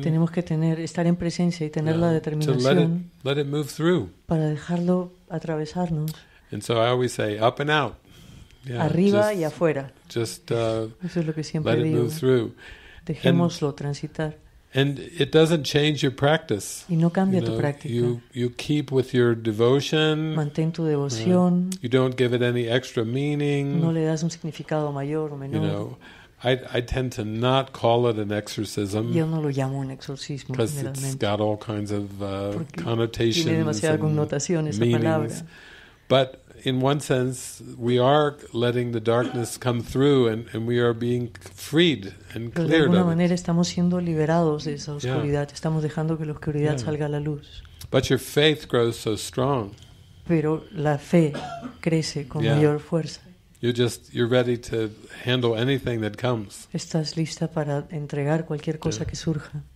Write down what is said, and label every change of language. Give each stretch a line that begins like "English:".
Spanish: Tenemos que tener estar en presencia y tener la determinación.
English: To let it move through.
Spanish: Para dejarlo atravesarnos.
English: And so I always say, up and out.
Spanish: Yeah, arriba y afuera.
English: Just
Spanish: eso es lo que siempre
English: let
Spanish: digo.
English: It move through.
Spanish: Dejémoslo transitar.
English: And it doesn't change your practice.
Spanish: Y no cambia
English: you know,
Spanish: tu práctica.
English: You keep with your devotion.
Spanish: Mantén tu devoción.
English: You don't give it any extra meaning.
Spanish: No le das un significado mayor o menor.
English: You know, I tend to not call it an exorcism.
Spanish: Yo no lo llamo un exorcismo.
English: Because it's got all kinds of connotations and meanings. But in one sense, we are letting the darkness come through, and we are being freed and cleared of it.
Spanish: De alguna manera estamos siendo liberados de esa oscuridad. Yeah. Estamos dejando que la oscuridad salga a la luz.
English: But your faith grows so strong.
Spanish: Pero la fe crece con mayor fuerza.
English: You're ready to handle anything that comes.
Spanish: Estás lista para entregar cualquier cosa que surja.